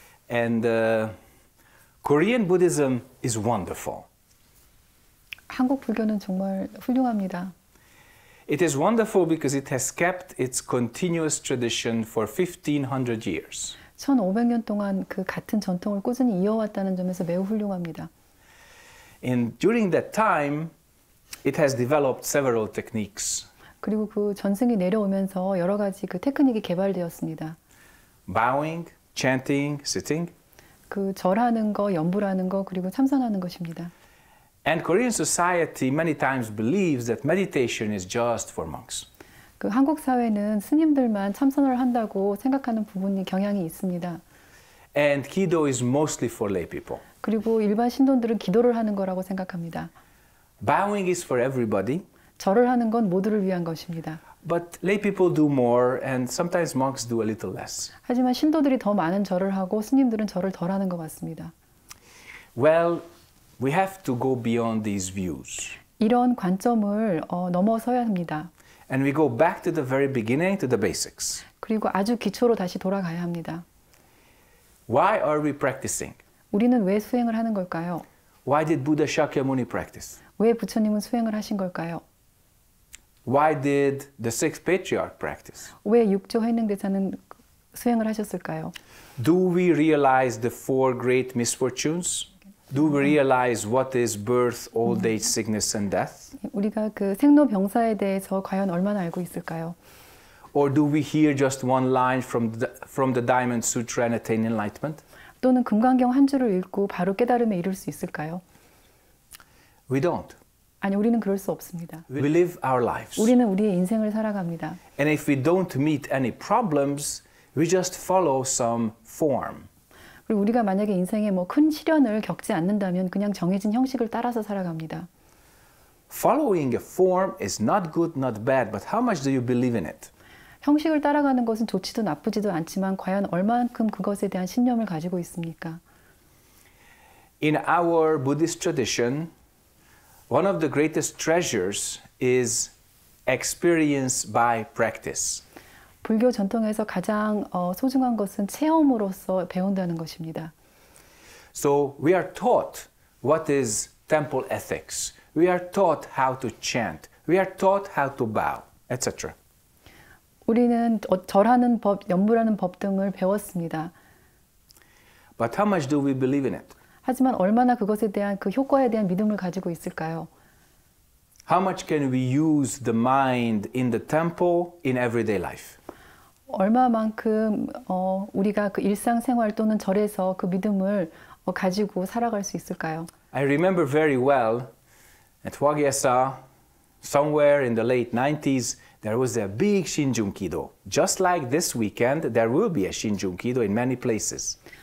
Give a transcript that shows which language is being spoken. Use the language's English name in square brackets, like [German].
[English] And Korean Buddhism is wonderful. [Korean] 한국 불교는 정말 훌륭합니다. [English] It is wonderful because it has kept its continuous tradition for 1500 years. [Korean] 1500년 동안 그 같은 전통을 꾸준히 이어왔다는 점에서 매우 훌륭합니다. [English] And during that time, it has developed several techniques. [Korean] 그리고 그 전승이 내려오면서 여러 가지 그 테크닉이 개발되었습니다. [English] Bowing, chanting, sitting. [Korean] 그 절하는 거, 염불하는 거, 그리고 참선하는 것입니다. [English] And Korean society many times believes that meditation is just for monks. [Korean] 그 한국 사회는 스님들만 참선을 한다고 생각하는 부분이 경향이 있습니다. [English] And kido is mostly for lay people. [Korean] 그리고 일반 신도들은 기도를 하는 거라고 생각합니다. [English] Bowing is for everybody. [Korean] 절을 하는 건 모두를 위한 것입니다. [English] But lay people do more and sometimes monks do a little less. [Korean] 하지만 신도들이 더 많은 절을 하고 스님들은 절을 덜 하는 것 같습니다. [English] Well, we have to go beyond these views. [Korean] 이런 관점을 넘어서야 합니다. [English] And we go back to the very beginning, to the basics. [Korean] 그리고 아주 기초로 다시 돌아가야 합니다. [English] Why are we practicing? [Korean] 우리는 왜 수행을 하는 걸까요? [English] Why did Buddha Shakyamuni practice? [Korean] 왜 부처님은 수행을 하신 걸까요? [English] Why did the sixth patriarch practice? [Korean] 왜 6조 회능대사는 수행을 하셨을까요? [English] Do we realize the four great misfortunes? Do we realize what is birth, old age, sickness, and death? [Korean] 우리가 그 생로병사에 대해서 과연 얼마나 알고 있을까요? [English] Or do we hear just one line from the Diamond Sutra and attain enlightenment? [Korean] 또는 금강경 한 줄을 읽고 바로 깨달음에 이를 수 있을까요? [English] We don't. [Korean] 아니, 우리는 그럴 수 없습니다. [English] We live our lives. [Korean] 우리는 우리의 인생을 살아갑니다. [English] And if we don't meet any problems, we just follow some form. [Korean] 그리고 우리가 만약에 인생에 뭐 큰 시련을 겪지 않는다면 그냥 정해진 형식을 따라서 살아갑니다. [English] Following a form is not good, not bad, but how much do you believe in it? [Korean] 형식을 따라가는 것은 좋지도 나쁘지도 않지만 과연 얼만큼 그것에 대한 신념을 가지고 있습니까? [English] In our Buddhist tradition, one of the greatest treasures is experience by practice. [Korean] 불교 전통에서 가장 소중한 것은 체험으로서 배운다는 것입니다. [English] So we are taught what is temple ethics. We are taught how to chant. We are taught how to bow, etc. [Korean] 우리는 절하는 법, 염불하는 법 등을 배웠습니다. [English] But how much do we believe in it? [Korean] 하지만 얼마나 그것에 대한 그 효과에 대한 믿음을 가지고 있을까요? [English] How much can we use the mind in the temple in everyday life? [Korean] 얼마만큼 우리가 그 일상생활 또는 절에서 그 믿음을 가지고 살아갈 수 있을까요? [English] I remember very well at Wagyasa, somewhere in the late 90s, there was a big Shinjunkido. Just like this weekend, there will be a Shinjunkido in many places.